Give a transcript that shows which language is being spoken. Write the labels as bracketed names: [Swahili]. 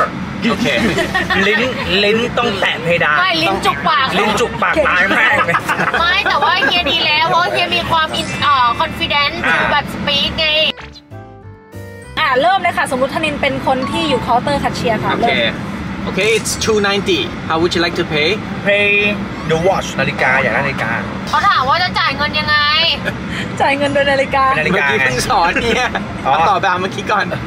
[Thai] ทโอเค ลิ้นต้องแตะเพดาน ไม่ลิ้นจุกปาก ลิ้นจุกปากตายแม่ไม่แต่ว่าเฮียดีแล้วเพราะเฮียมีความมีคอนฟิเดนซ์แบบสปีกไง เริ่มเลยค่ะสมมุติธนินเป็นคนที่อยู่เคาน์เตอร์คัชเชียร์ค่ะ [English] โอเค it's 290 how would you like to pay the watch [Thai] นาฬิกาอย่างนาฬิกา เขาถามว่าจะจ่ายเงินยังไง จ่ายเงินโดยนาฬิกา เมื่อกี้เพิ่งสอนเนี่ยตอบแบบเมื่อกี้ก่อน